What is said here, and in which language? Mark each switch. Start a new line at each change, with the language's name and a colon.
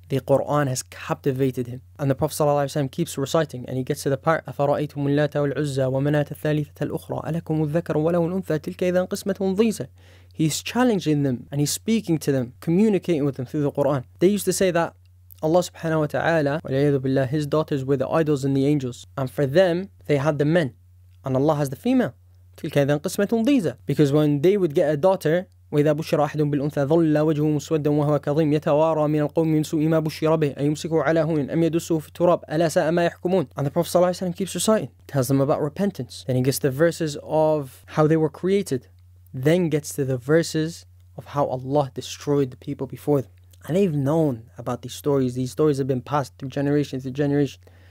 English: The Quran has captivated him. And the Prophet sallallahu alaihi wasallam keeps reciting, and he gets to the part,
Arabic: أفرأيتم اللات والعزى ومناة الثالثة الأخرى ألكم الذكر ولو الأنثى تلك إذا قسمة ضيزى.
English: He's challenging them and he's speaking to them, communicating with them through the Quran. They used to say that Allah subhanahu wa ta'ala,
Arabic: وَلَيَذُ بِاللَّهِ,
English: his daughters were the idols and the angels. And for them, they had the men. And Allah has the female.
Arabic: تِلْكَ إِذَا قِسْمَةٌ ضِيزَى.
English: Because when they would get a daughter,
Arabic: وَإِذَا بُشِّرَ أَحَدٌ بِالْأُنثَى ظَلَّ وَجْهُهُ مُسْوَدًّا وَهُوَ كَظِيمٌ يَتَوَارَى مِنَ الْقَوْمِ مِنْ سُوءِ مَا بُشِّرَ بِهِ أَيُمْسِكُهُ عَلَى هُونٍ أَمْ يَدُسُّهُ فِي التُّرَابِ أَلَا سَاءَ مَا يَحْكُمُونَ.
English: And the Prophet sallallahu alaihi wasallam keeps reciting, tells them about repentance. Then he gets the verses of how they were created. Then gets to the verses of how Allah destroyed the people before them. And they've known about these stories. These stories have been passed through generation to generation.